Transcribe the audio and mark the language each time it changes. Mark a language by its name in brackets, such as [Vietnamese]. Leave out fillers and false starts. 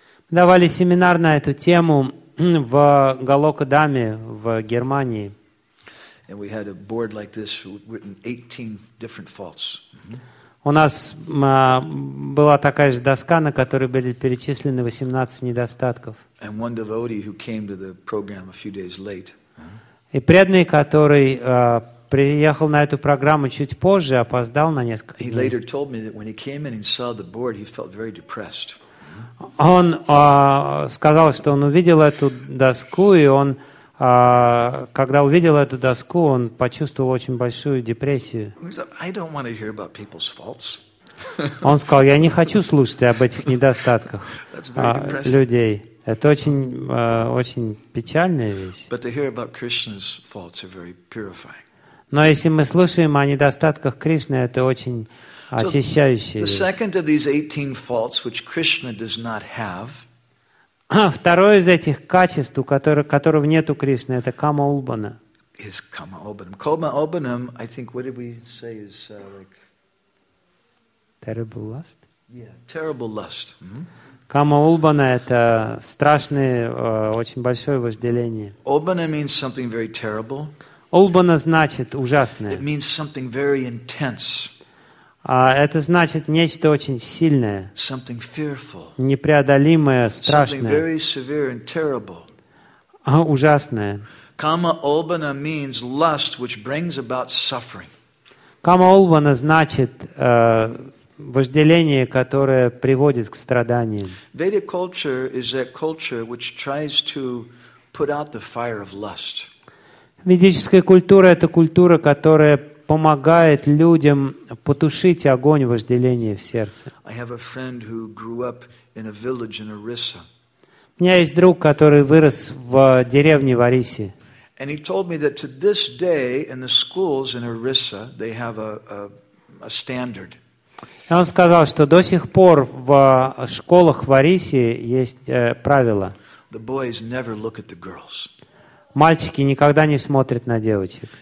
[Russian] Мы давали семинар на эту тему в Голокадхаме в Германии. [English] And we had a board like this written 18 different faults. [Russian] У нас была такая же доска, на которой были перечислены 18 недостатков. [English] And one devotee who came to the program a few days late. [Russian] И преданный, который приехал на эту программу чуть позже, опоздал на несколько дней. [English] He later told me that when he came in and saw the board, he felt very depressed. [Russian] Он сказал, что он увидел эту доску, и он, когда увидел эту доску, он почувствовал очень большую депрессию. [English] I don't want to hear about people's faults. [Russian] Он сказал, я не хочу слушать об этих недостатках людей. Это очень, очень печальная вещь. [English] But to hear about Krishna's faults are very purifying. [Russian] Но если мы слушаем о недостатках Кришны, это очень очищающая вещь. [English] The second of these 18 faults which Krishna does not have. [Russian] Второе из этих качеств, которого нет у Кришны, это кама улбана. [English] Is kama obanam. Kama obanam, I think, what did we say is like terrible lust? Yeah, terrible lust. Mm-hmm. [Russian] Кама улбана – это страшное, очень большое вожделение. [English] Обана means something very terrible. [Russian] Улбана значит ужасное. [English] It means something very intense. [Russian] Это значит нечто очень сильное. [English] Something fearful. [Russian] Непреодолимое, страшное. [English] Something very severe and terrible. [Russian] Ужасное. [English] Кама улбана means lust, which brings about suffering. [Russian] Кама улбана значит вожделение, которое приводит к страданиям. [English] Vedic culture is a culture which tries to put out the fire of lust. [Russian] Ведическая культура — это культура, которая помогает людям потушить огонь вожделения в сердце. [English] I have a friend who grew up in a village in Orissa. [Russian] У меня есть друг, который вырос в деревне в Орисе. [English] And he told me that to this day in the schools in Orissa they have a standard. [Russian] И он сказал, что до сих пор в школах в Орисе есть правило. [English] The boys never look at the girls. [Russian] Мальчики никогда не смотрят на девочек.